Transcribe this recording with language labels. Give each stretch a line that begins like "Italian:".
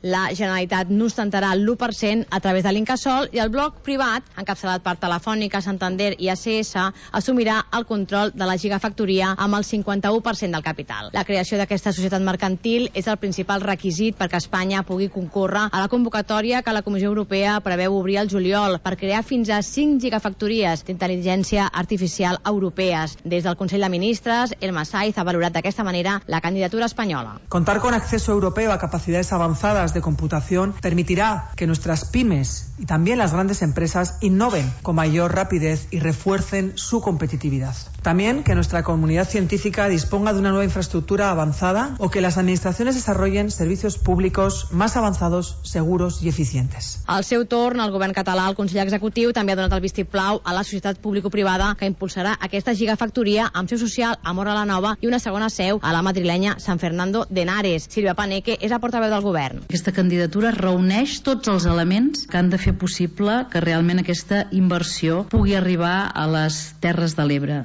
Catalan: La Generalitat n'ostentarà l'1% a través de l'Incasol i el bloc privat, encapçalat per Telefònica, Santander i ACS, assumirà el control de la gigafactoria amb el 51% del capital. La creació d'aquesta societat mercantil és el principal requisit perquè Espanya pugui concórrer a la convocatòria que la Comissió Europea preveu obrir el juliol per crear fins a 5 gigafactories d'intel·ligència artificial europees. Des del Consell de Ministres, Elma Saiz ha valorat d'aquesta manera la candidatura espanyola.
Spanish: Contar con acceso europeo a capacidades avanzadas de computación permitirá que nuestras pymes y también las grandes empresas innoven con mayor rapidez y refuercen su competitividad. También que nuestra comunidad científica disponga de una nueva infraestructura avanzada o que las administraciones desarrollen servicios públicos más avanzados, seguros y eficientes.
Catalan: Al seu torn, el govern català, el Consell Executiu, també ha donat el vistiplau a la societat público-privada que impulsarà aquesta gigafactoria amb seu social a Móra la Nova i una segona seu a la madrilenya San Fernando de Henares. Sílvia Paneque és la portaveu del govern. Aquesta candidatura reuneix tots els elements que han de fer possible que realment aquesta inversió pugui arribar a les Terres de l'Ebre.